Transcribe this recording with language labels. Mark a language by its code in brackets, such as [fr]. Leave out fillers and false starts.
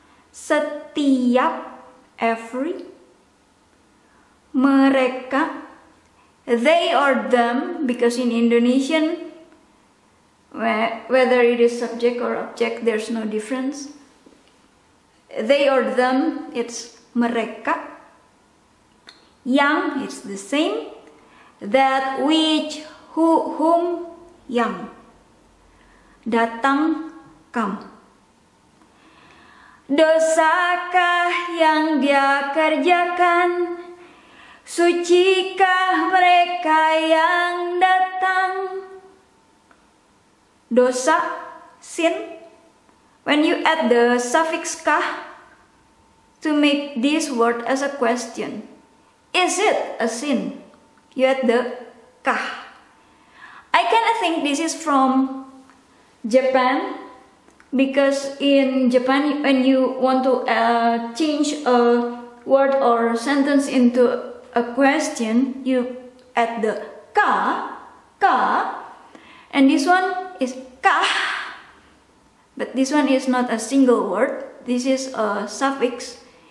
[en] Setiap, every. Mereka, they or them, because in Indonesian whether it is subject or object, there's no difference. They or them, it's mereka. Yang, it's the same. That, which, who, whom, yang. Datang, come. [id] Dosakah yang dia kerjakan? Sucikah mereka yang datang? [en] Dosa, sin. When you add the suffix kah to make this word as a question, is it a sin? You add the kah. I kinda think this is from Japan, because in Japan when you want to change a word or sentence into a question, you add the ka, ka, and this one is ka, but this one is not a single word, this is a suffix.